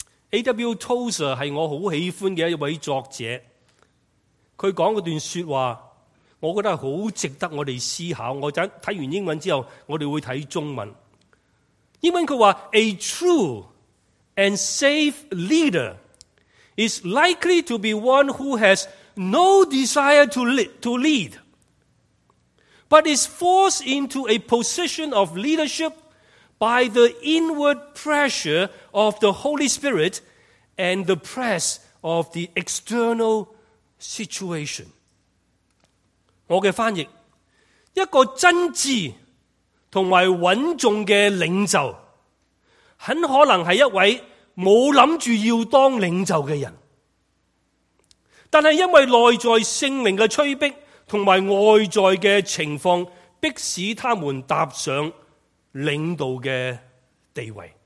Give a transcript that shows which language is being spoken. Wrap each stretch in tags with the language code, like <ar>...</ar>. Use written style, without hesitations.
<en>A.W.</en> <zh>Tozer 是我很喜欢的一位作者，他讲的一段说话我觉得很值得我们思考。我看完英文之后，我们会看中文。英文他说</zh> <en>A true and safe leader is likely to be one who has no desire to lead, but is forced into a position of leadershipby the inward pressure of the Holy Spirit and the press of the external situation.</en> <zh>我的翻译，一个真挚和稳重的领袖，很可能是一位没有想着要当领袖的人，但是因为内在圣灵的催逼和外在的情况，迫使他们踏上领导的地位。</zh>